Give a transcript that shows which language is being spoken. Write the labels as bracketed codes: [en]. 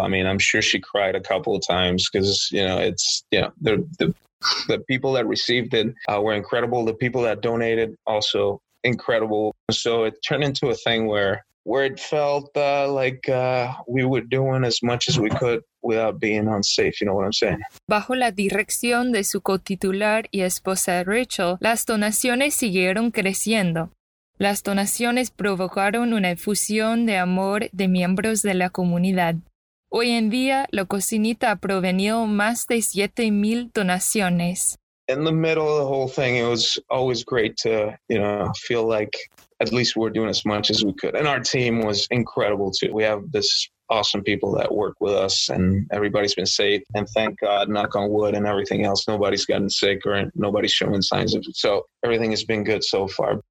[en] I mean, I'm sure she cried a couple of times because, you know, the people that received it were incredible. The people that donated, also incredible. So it turned into a thing where it felt we were doing as much as we could without being unsafe, you know what I'm saying? [es] Bajo la dirección de su cotitular y esposa Rachel, las donaciones siguieron creciendo. Las donaciones provocaron una efusión de amor de miembros de la comunidad. Hoy en día, La Cocinita ha provenido más de 7,000 donaciones. [en] In the middle of the whole thing, it was always great to, you know, feel like at least we're doing as much as we could. And our team was incredible, too. We have this awesome people that work with us, and everybody's been safe. And thank God, knock on wood and everything else, nobody's gotten sick or nobody's showing signs of it. So everything has been good so far.